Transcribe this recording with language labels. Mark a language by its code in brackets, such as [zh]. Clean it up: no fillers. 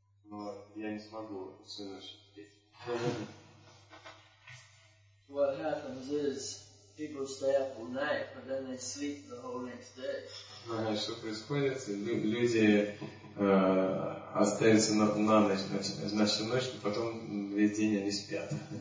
[ru] Но я не смогу всю ночь петь. [en] what happens is people stay up all night, but then they sleep the whole next day. [ru] Что происходит? Люди остаются на ночь, значит, всю ночь, но потом весь день они спят.